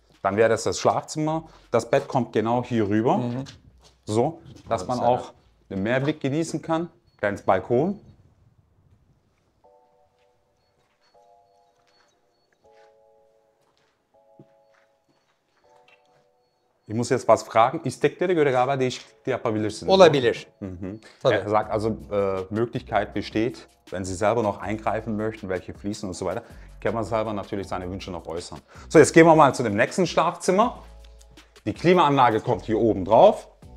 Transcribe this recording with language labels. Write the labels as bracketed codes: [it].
[de] Dann wäre das das Schlafzimmer. Das Bett kommt genau hier rüber, so, dass man auch den Meerblick genießen kann. Kleines Balkon. Ich muss jetzt was fragen. [tr] İstekleri göre galiba değişiklik yapabilirsiniz. Olabilir. Mhm. [de] Er sagt also, Möglichkeit besteht, wenn Sie selber noch eingreifen möchten, welche fließen und so weiter. Kann man selber natürlich seine Wünsche noch äußern. So, jetzt gehen wir mal zu dem nächsten Schlafzimmer. Die Klimaanlage kommt hier oben drauf.